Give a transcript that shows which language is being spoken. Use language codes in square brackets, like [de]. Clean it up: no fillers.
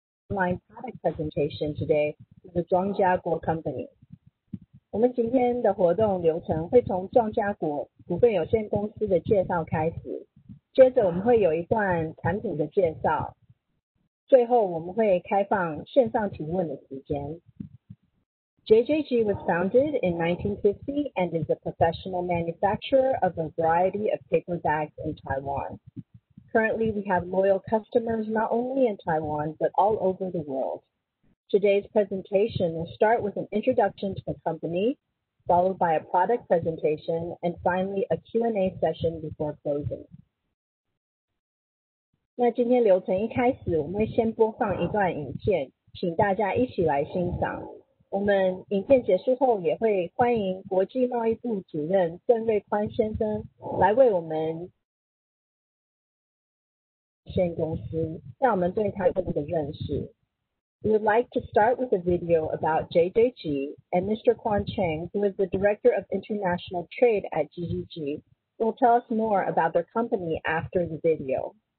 [en] My product presentation today is the 庄家国 Company. [zh] 我们今天的活动流程会从庄家国股份有限公司的介绍开始，接着我们会有一段产品的介绍，最后我们会开放线上提问的时间。 [en] JJG was founded in 1950 and is a professional manufacturer of a variety of paper bags in Taiwan. Currently, we have loyal customers not only in Taiwan but all over the world. Today's presentation will start with an introduction to the company, followed by a product presentation, and finally a Q&A session before closing. [zh] 那今天流程一开始，我们会先播放一段影片，请大家一起来欣赏。我们影片结束后也会欢迎国际贸易部主任郑瑞宽先生来为我们现公司，让我们对他有更多的认识。 [en] We would like to start with a video about JJG, and Mr. Quan Cheng, who is the Director of International Trade at JJG, will tell us more about their company after the video.